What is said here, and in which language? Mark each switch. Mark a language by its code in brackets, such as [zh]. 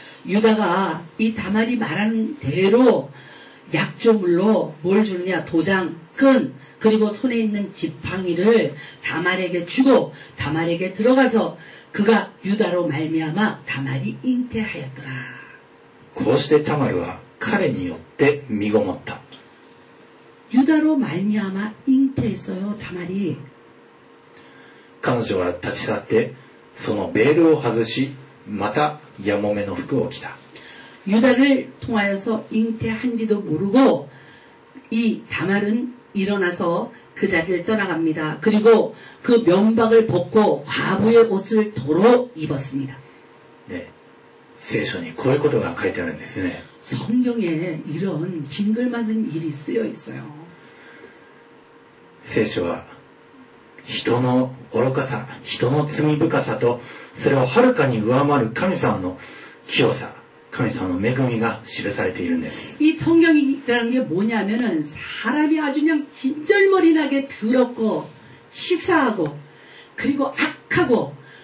[ko] 유다가이다말이말하는대로약조물로뭘주느냐도장끈그리고손에있는지팡이를다말에게주고다말에게들어가서그가유다로말미암아다말이잉태하였더라 [ja] こうしてタマルは彼によって身ごもった [ko] 유다로말미암아잉태했어요다말이 [ja] 彼女は立ち去ってそのベールを外しまたヤモメの服を着た。 [ko] ユダ를통하여서잉태한지도모르고이다말은일어나서그자리를떠나갑니다그리고그면박을벗고과부의옷을도로입었습니다 [ja] 네聖書にこういうことが書いてあるんですね [ko] 성경에이런징글맞은일이쓰여있어요 [ja] 聖書は人の愚かさ人の罪深さとそれをはるかに上回る神様の清さ神様の恵みが記されているんです [ko] 이성경이라는게뭐냐면은사람이아주그냥진절머리나게더럽고치사하고그리고악하고